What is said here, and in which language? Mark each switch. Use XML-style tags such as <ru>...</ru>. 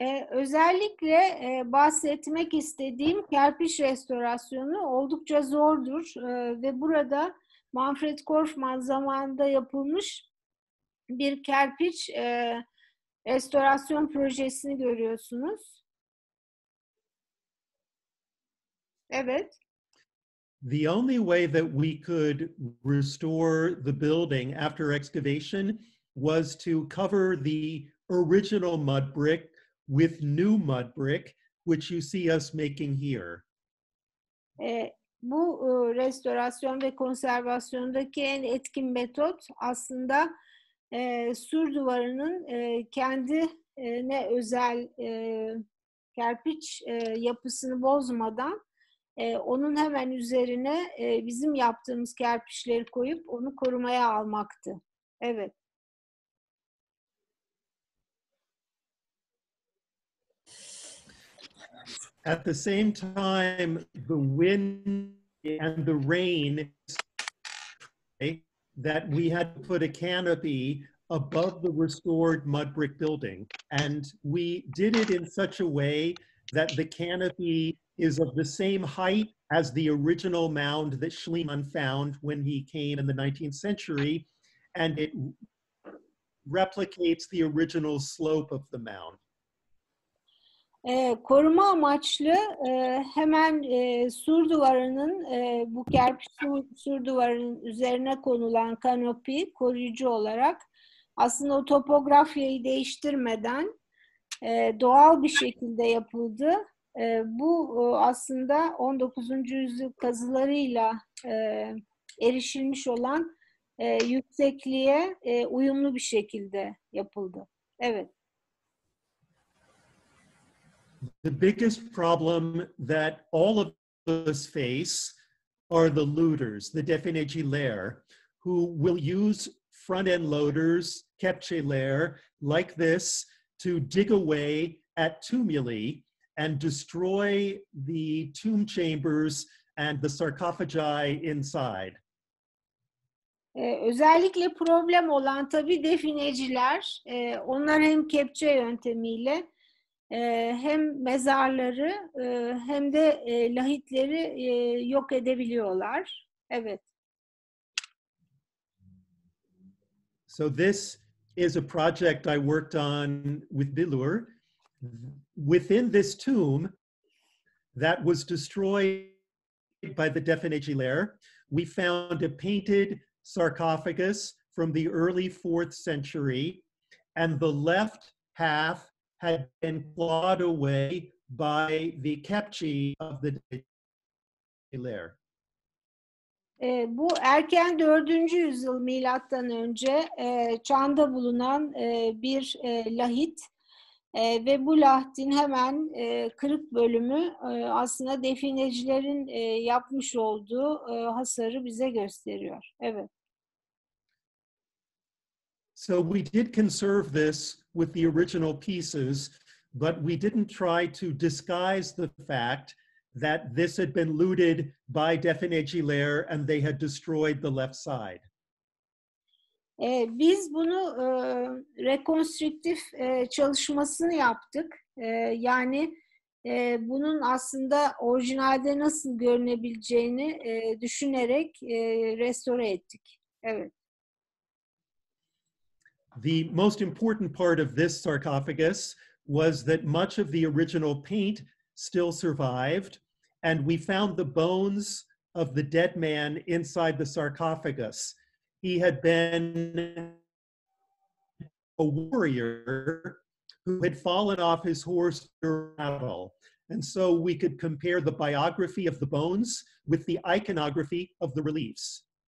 <tr>Özellikle bahsetmek istediğim kerpiç restorasyonu oldukça zordur ve burada Manfred Korfmann zamanında yapılmış bir kerpiç restorasyon projesini görüyorsunuz. Evet.</tr> <en>The only way that we could restore the building after excavation was to cover the original mud brick with new mud brick, which you see us making here.</en> <tr>Bu restorasyon ve konservasyondaki en etkin metot aslında sur duvarının kendine özel kerpiç yapısını bozmadan onun hemen üzerine bizim yaptığımız kerpiçleri koyup onu korumaya almaktı. Evet.</tr> <en>At the same time, the wind and the rain that we had to put a canopy above the restored mud brick building. And we did it in such a way that the canopy is of the same height as the original mound that Schliemann found when he came in the 19th century. And it replicates the original slope of the mound.</en> <tr>Koruma amaçlı hemen sur duvarının, bu kerpiç sur duvarının üzerine konulan kanopi koruyucu olarak aslında o topografyayı değiştirmeden doğal bir şekilde yapıldı. Bu aslında 19. yüzyıl kazılarıyla erişilmiş olan yüksekliğe uyumlu bir şekilde yapıldı. Evet.</tr> <en>The biggest problem that all of us face are the looters, the</en> <tr>defnecciler,</tr> <en>who will use front-end loaders,</en> <tr>kepçeler,</tr> <en>like this, to dig away at tumuli and destroy the tomb chambers and the sarcophagi inside.</en> <tr>Özellikle problem olan tabii defineciler. Onlar hem kepçe yöntemiyle hem mezarları hem de lahitleri yok edebiliyorlar. Evet.</tr> <en>So this is a project I worked on with Billur. Within this tomb that was destroyed by the</en> <tr>defnecciler,</tr> <en>we found a painted sarcophagus from the early 4th century, and the left half had been clawed away by the</en> <tr>kepçe</tr> <en>of the defnecciler.</en> <tr>Bu erken 4. yüzyıl milattan önce çağında bulunan bir lahit ve bu lahitin hemen kırık bölümü aslında definecilerin yapmış olduğu hasarı bize gösteriyor. Evet.</tr> <en>So we did conserve this with the original pieces, but we didn't try to disguise the fact that this had been looted by</en> <tr>defnecciler</tr> <en>and they had destroyed the left side.</en> <tr>Biz bunu rekonstrüktif çalışmasını yaptık. Yani bunun aslında orijinalde nasıl görünebileceğini düşünerek restore ettik. Evet.</tr> <en>The most important part of this sarcophagus was that much of the original paint still survived, and we found the bones of the dead man inside the sarcophagus. He had been a warrior who had fallen off his horse during battle, and so we could compare the biography of the bones with the iconography of the reliefs.</en>